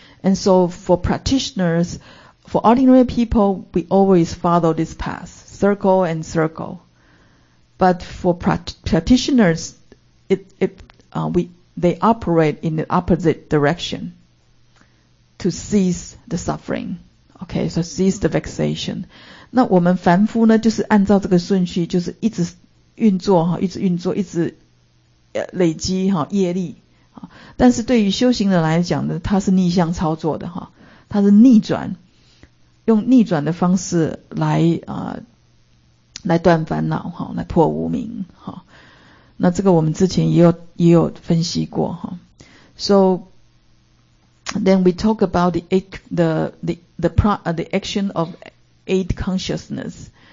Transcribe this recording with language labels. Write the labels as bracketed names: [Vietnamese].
[English] And so for practitioners, for ordinary people, we always follow this path, circle and circle. But for practitioners, they operate in the opposite direction to cease the suffering. Okay, so cease the vexation. [Chinese] 那我们凡夫呢，就是按照这个顺序，就是一直运作哈，一直运作，一直累积哈业力啊。但是对于修行人来讲呢，他是逆向操作的哈，他是逆转，用逆转的方式来来断烦恼哈，来破无明哈。那这个我们之前也有分析过哈。 [English] So then we talk about the action of eight consciousness.